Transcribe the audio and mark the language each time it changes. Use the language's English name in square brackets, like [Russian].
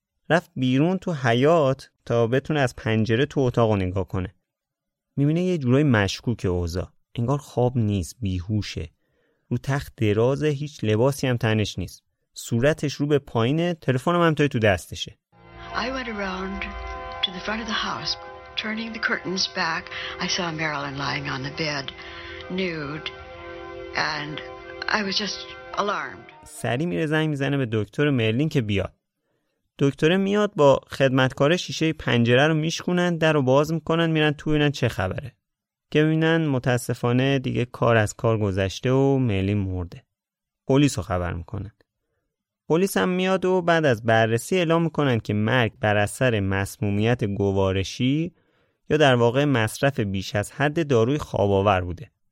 [Persian] رفت بیرون تو حیاط تا بتونه از پنجره تو اتاق رو نگاه کنه. میبینه یه جورای مشکوک اوضاع. انگار خواب نیست، بیهوشه. رو تخت درازه، هیچ لباسی هم تنش نیست. صورتش رو به پایینه، تلفنم هم تو دستشه. [English] I went around to the front of the house, turning the curtains back. I saw Marilyn lying on the bed, nude, and I was just alarmed. [Persian] سری میره زنگ میزنه به دکتر مرلین که بیاد. دکتر میاد با خدمتکار شیشه پنجره رو میشکنن، در رو باز میکنن، میرن تو ببینن چه خبره. که ببینن متاسفانه دیگه کار از کار گذشته و مرلین مرده. پلیس رو خبر میکنن. پلیس هم میاد و بعد از بررسی اعلام میکنن که مرگ بر اثر مسمومیت گوارشی یا در واقع مصرف بیش از حد داروی خواب‌آور بوده.